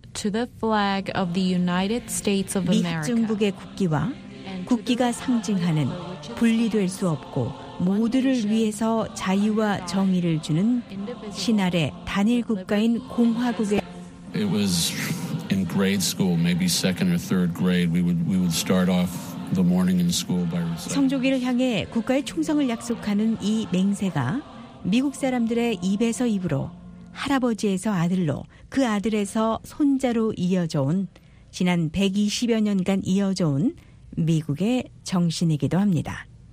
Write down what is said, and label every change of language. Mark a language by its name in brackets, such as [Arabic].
[English] To the flag of the United States of America. [Korean] 미국 정부의 국기와 국기가 상징하는 분리될 수 없고 모두를 위해서 자유와 정의를 주는 신아래 단일 국가인 공화국의 [English] It was in grade school, maybe second or third grade. We would start off the morning in school by reciting. [Korean] 성조기를 향해 국가의 충성을 약속하는 이 맹세가 미국 사람들의 입에서 입으로 할아버지에서 아들로 그 아들에서 손자로 이어져 온 지난 120여 년간 이어져 온 미국의 정신이기도 합니다.